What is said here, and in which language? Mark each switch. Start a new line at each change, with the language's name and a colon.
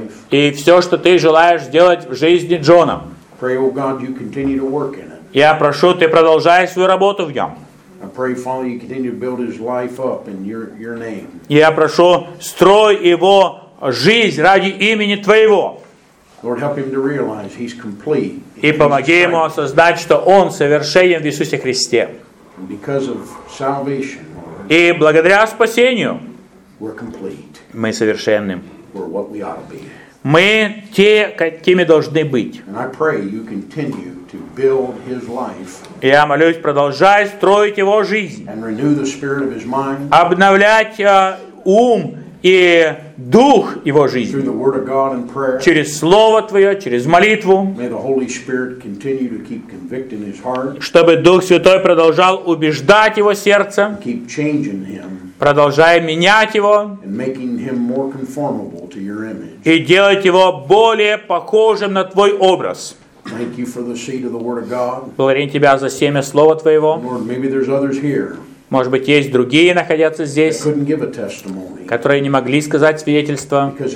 Russian: И все, что Ты желаешь сделать в жизни Джона.
English: Pray, oh God, you continue to work in it.
Russian: Я прошу, ты продолжай свою работу в нем.
English: I pray, Father, you continue to build his life up in your name.
Russian: Я прошу, строй его жизнь ради имени твоего.
English: Lord, help him to realize he's complete.
Russian: И помоги ему осознать, что он совершенен в Иисусе Христе.
English: Because of salvation.
Russian: И благодаря спасению
English: we're complete.
Russian: Мы совершенны.
English: We're what we ought to be.
Russian: Мы те, какими должны быть.
English: And I pray you continue to build his life.
Russian: Я молюсь, продолжай строить его жизнь.
English: And renew the spirit of his mind.
Russian: Обновлять ум и дух его жизни.
English: Through the word of God and prayer.
Russian: Через Слово Твое, через молитву.
English: May the Holy Spirit continue to keep convicting his heart.
Russian: Чтобы Дух Святой продолжал убеждать его сердце.
English: And keep changing him.
Russian: Продолжая менять его.
English: And making him more conformable to your image.
Russian: И делать его более похожим на Твой образ.
English: Thank you for the seed of the word of God.
Russian: Благодарим Тебя за семя Слова Твоего.
English: Lord, maybe there's others here.
Russian: Может быть, есть другие, находятся здесь, которые не могли сказать свидетельство.